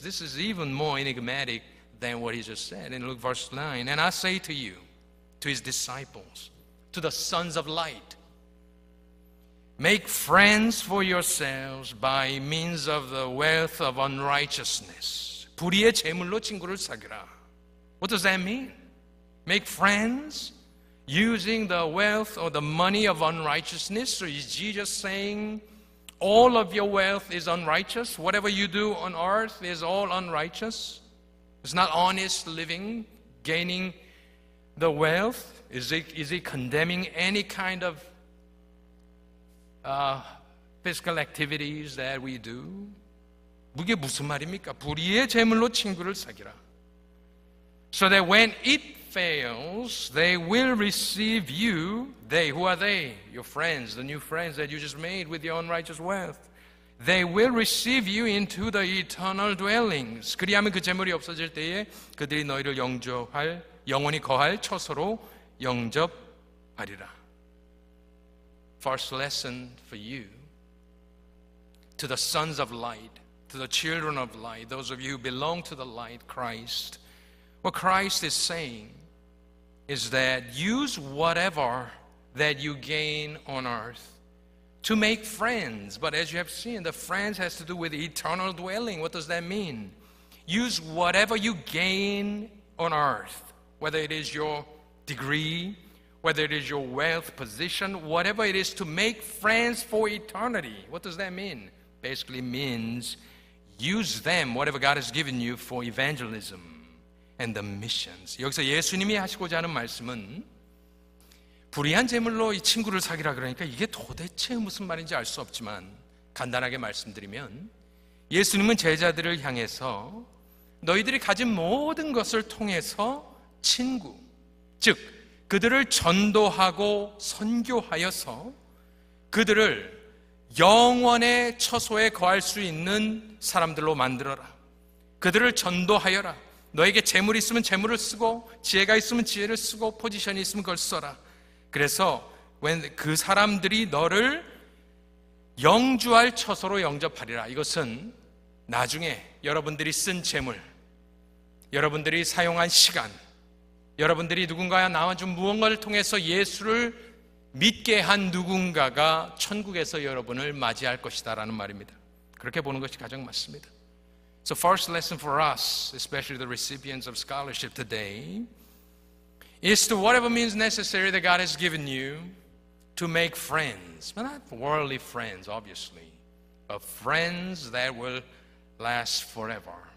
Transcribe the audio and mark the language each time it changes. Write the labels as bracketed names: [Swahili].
[English] This is even more enigmatic than what he just said. And look verse 9. And I say to you, to his disciples, to the sons of light, make friends for yourselves by means of the wealth of unrighteousness. [Korean] 불의의 재물로 친구를 사귀라. [English] What does that mean? Make friends using the wealth or the money of unrighteousness? So is Jesus saying all of your wealth is unrighteous? Whatever you do on earth is all unrighteous? It's not honest living, gaining the wealth? Is he condemning any kind of fiscal activities that we do? [Korean] 그게 무슨 말입니까? 불의의 재물로 친구를 사귀라. [English] So that when it fails, they will receive you. They, who are they? Your friends, the new friends that you just made with your unrighteous wealth. They will receive you into the eternal dwellings. [Korean] 그리하면 그 재물이 없어질 때에 그들이 너희를 영접할, 영원히 거할 처소로 영접하리라. [English] First lesson for you, to the sons of light, to the children of light, those of you who belong to the light, Christ, what Christ is saying is that use whatever that you gain on earth to make friends. But as you have seen, the friends has to do with eternal dwelling. What does that mean? Use whatever you gain on earth, whether it is your degree, whether it is your wealth, position, whatever it is, to make friends for eternity. What does that mean? Basically means use them, whatever God has given you, for evangelism and the missions. [Korean] 여기서 예수님이 하시고자 하는 말씀은 불의한 재물로 이 친구를 사귀라. 그러니까 이게 도대체 무슨 말인지 알 수 없지만 간단하게 말씀드리면, 예수님은 제자들을 향해서 너희들이 가진 모든 것을 통해서 친구, 즉 그들을 전도하고 선교하여서 그들을 영원의 처소에 거할 수 있는 사람들로 만들어라. 그들을 전도하여라. 너에게 재물이 있으면 재물을 쓰고, 지혜가 있으면 지혜를 쓰고, 포지션이 있으면 그걸 써라. 그래서 그 사람들이 너를 영주할 처소로 영접하리라. 이것은 나중에 여러분들이 쓴 재물, 여러분들이 사용한 시간, 여러분들이 누군가와 나와준 무언가를 통해서 예수를 믿게 한 누군가가 천국에서 여러분을 맞이할 것이다 라는 말입니다. 그렇게 보는 것이 가장 맞습니다. [English] So first lesson for us, especially the recipients of scholarship today, is to whatever means necessary that God has given you to make friends, but not worldly friends, obviously, but friends that will last forever.